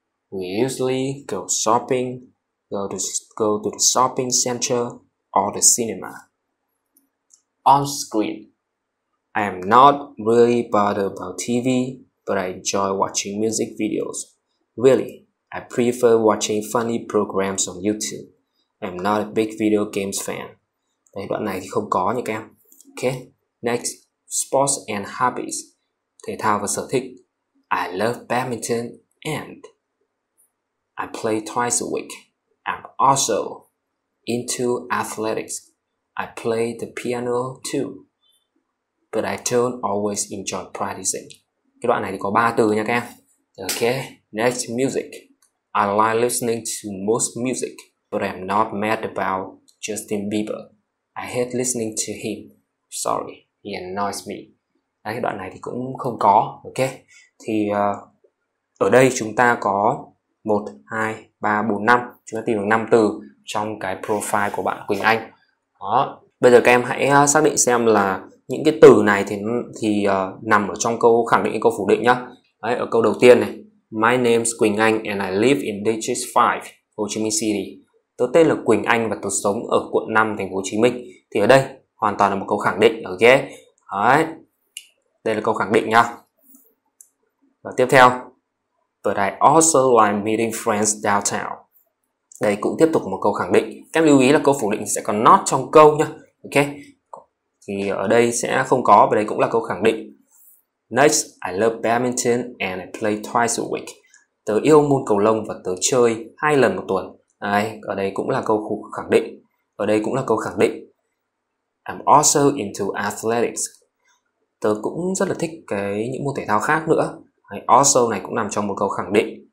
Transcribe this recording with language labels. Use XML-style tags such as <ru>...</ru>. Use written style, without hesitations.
<en>We usually go shopping, go to the shopping center or the cinema. On screen: I am not really bothered about TV, but I enjoy watching music videos. Really, I prefer watching funny programs on YouTube. I am not a big video games fan.</en> <vi>Đây, đoạn này thì không có nha các em.</vi> <en>Okay. Next, sports and hobbies.</en> <vi>Thể thao và sở thích.</vi> <en>I love badminton And I play twice a week. I'm also into athletics. I play the piano too. But I don't always enjoy practicing.</en> <vi>Cái đoạn này thì có 3 từ nha các em.</vi> <en>Okay, next music. I like listening to most music, but I'm not mad about Justin Bieber. I hate listening to him. Sorry, he annoys me.</en> <vi>Đấy, cái đoạn này thì cũng không có. Ok, thì ở đây chúng ta có 1, 2, 3, 4, 5. Chúng ta tìm được 5 từ trong cái profile của bạn Quỳnh Anh. Đó. Bây giờ các em hãy xác định xem là những cái từ này thì nằm ở trong câu khẳng định hay câu phủ định nhá. Đấy, ở câu đầu tiên này.</vi> <en>My name is Quỳnh Anh and I live in District 5, Ho Chi Minh City.</en> <vi>Tôi tên là Quỳnh Anh và tôi sống ở quận 5, thành phố Hồ Chí Minh. Thì ở đây hoàn toàn là một câu khẳng định, ok? Đấy, đây là câu khẳng định nhá. Và tiếp theo.</vi> <en>But I also like meeting friends downtown.</en> <vi>Đây cũng tiếp tục một câu khẳng định. Các em lưu ý là câu phủ định sẽ có not trong câu nhá. Ok? Thì ở đây sẽ không có và đây cũng là câu khẳng định.</vi> <en>Next, I love badminton and I play twice a week.</en> <vi>Tớ yêu môn cầu lông và tớ chơi 2 lần một tuần. Đây, ở đây cũng là câu khẳng định. Ở đây cũng là câu khẳng định.</vi> <en>I'm also into athletics.</en> <vi>Tớ cũng rất là thích cái những môn thể thao khác nữa. I also này cũng nằm trong một câu khẳng định.</vi>